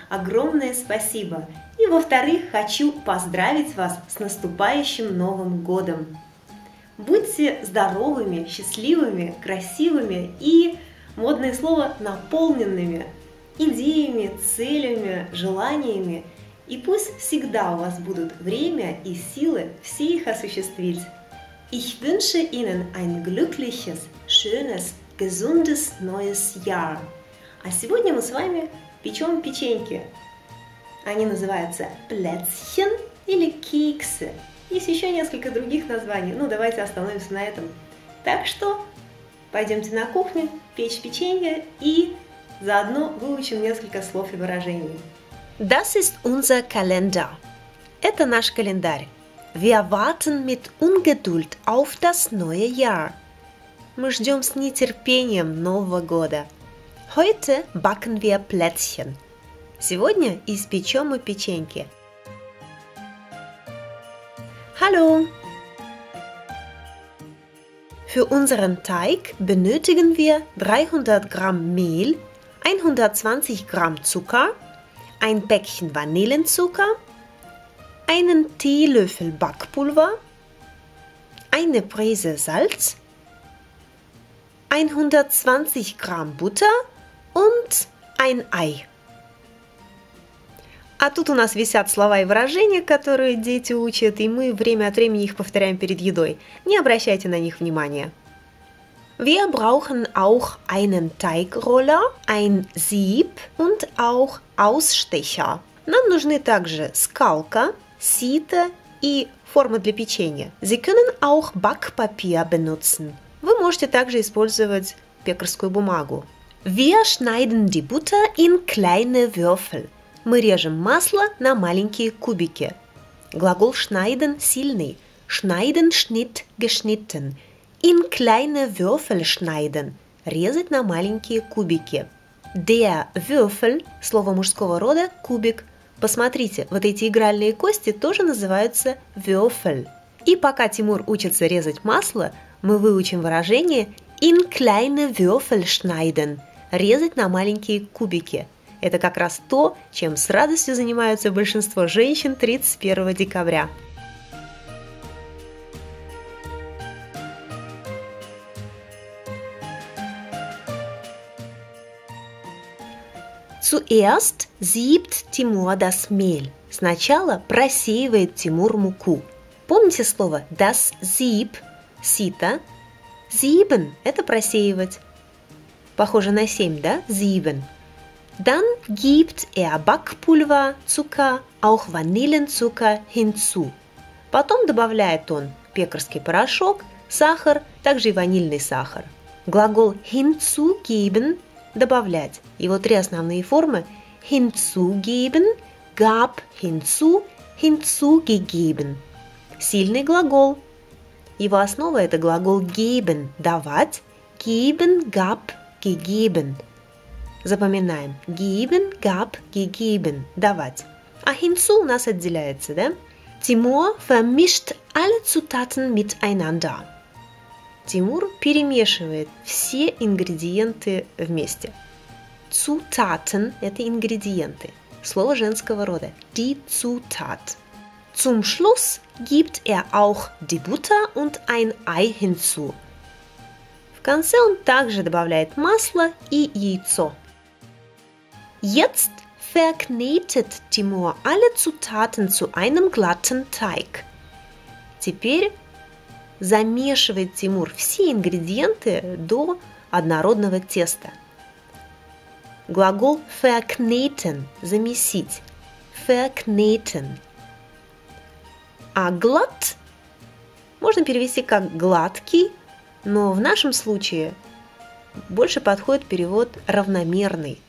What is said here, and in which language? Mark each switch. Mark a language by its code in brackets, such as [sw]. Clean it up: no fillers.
[ru] Огромное спасибо! И, во-вторых, хочу поздравить вас с наступающим Новым годом! Будьте здоровыми, счастливыми, красивыми и, модное слово, наполненными идеями, целями, желаниями. И пусть всегда у вас будут время и силы все их осуществить. [de] Ich wünsche Ihnen ein glückliches, schönes, gesundes neues Jahr. [ru] А сегодня мы с вами печем печеньки. Они называются Plätzchen или Кексе. Есть еще несколько других названий, но давайте остановимся на этом. Так что пойдемте на кухню печь печенье и заодно выучим несколько слов и выражений. [de] Das ist unser Kalender. [ru] Это наш календарь. [de] Wir warten mit Ungeduld auf das neue Jahr. [ru] Мы ждем с нетерпением Нового года. [de] Heute backen wir Plätzchen. [ru] Сегодня испечем мы печеньки. [de] Hallo! Für unseren Teig benötigen wir 300 Gramm Mehl, 120 Gramm Zucker, ein Päckchen Vanillenzucker, einen Teelöffel Backpulver, eine Prise Salz, 120 Gramm Butter und ein Ei. [ru] А тут у нас висят слова и выражения, которые дети учат, и мы время от времени их повторяем перед едой. Не обращайте на них внимания. [de] Wir brauchen auch einen Teigroller, ein Sieb und auch Ausstecher. [ru] Нам нужны также скалка, сито и форма для печенья. [de] Sie können auch Backpapier benutzen. [ru] Вы можете также использовать пекарскую бумагу. [de] Wir schneiden die Butter in kleine Würfel. [ru] Мы режем масло на маленькие кубики. Глагол schneiden сильный. [de] Schneiden, Schnitt, geschnitten. In kleine Würfel schneiden. [ru] Резать на маленькие кубики. [de] Der Würfel, [ru] слово мужского рода, кубик. Посмотрите, вот эти игральные кости тоже называются Würfel. И пока Тимур учится резать масло, мы выучим выражение [de] In kleine Würfel schneiden. [ru] Резать на маленькие кубики. Это как раз то, чем с радостью занимаются большинство женщин 31 декабря. [de] Zuerst siebt Timur das Mehl. [ru] Сначала просеивает Тимур муку. Помните слово das Sieb, сито? Sieben – это просеивать. Похоже на семь, да? Sieben. [de] Dann gibt Backpulver, Zucker, auch Vanillenzucker hinzu. [ru] Потом добавляет он пекарский порошок, сахар, также и ванильный сахар. Глагол hinzugeben – добавлять. Его три основные формы – [de] hinzugeben, gab hinzu, hinzugegeben. [ru] Сильный глагол. Его основа – это глагол geben – давать. Geben, gab, gegeben. Запоминаем. [de] Geben, gab, gegeben. [ru] Давать. А hinzu у нас отделяется, да? [de] Тимур vermischt alle Zutaten miteinander. [ru] Тимур перемешивает все ингредиенты вместе. Zutaten – это ингредиенты. Слово женского рода. Die Zutat. [de] Zum Schluss gibt auch die Butter und ein Ei hinzu. [ru] В конце он также добавляет масло и яйцо. [de] Jetzt verknetet Timur alle Zutaten zu einem glatten Teig. [ru] Теперь замешивает Тимур все ингредиенты до однородного теста. Глагол verkneten – замесить. [de] Verkneten. [ru] А glatt можно перевести как гладкий, но в нашем случае больше подходит перевод равномерный.